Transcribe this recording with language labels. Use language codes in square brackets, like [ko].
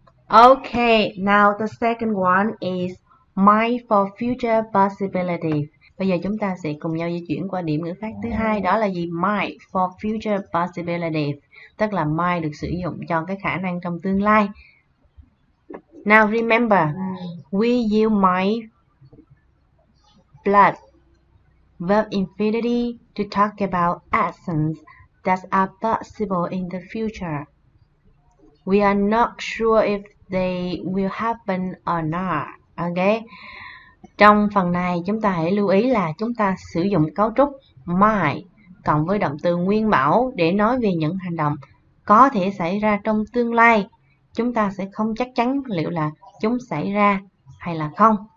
[en] Okay, now the second one is mind for future possibility. [vi] Bây giờ chúng ta sẽ cùng nhau di chuyển qua điểm ngữ pháp thứ hai, đó là gì? [en] Mind for future possibility, [vi] tức là mind được sử dụng cho cái khả năng trong tương lai. [en] Now remember, we use mind plus verb infinity to talk about actions that are possible in the future. We are not sure if they will happen or not. Okay? [vi] Trong phần này chúng ta hãy lưu ý là chúng ta sử dụng cấu trúc might cộng với động từ nguyên mẫu để nói về những hành động có thể xảy ra trong tương lai. Chúng ta sẽ không chắc chắn liệu là chúng xảy ra hay là không.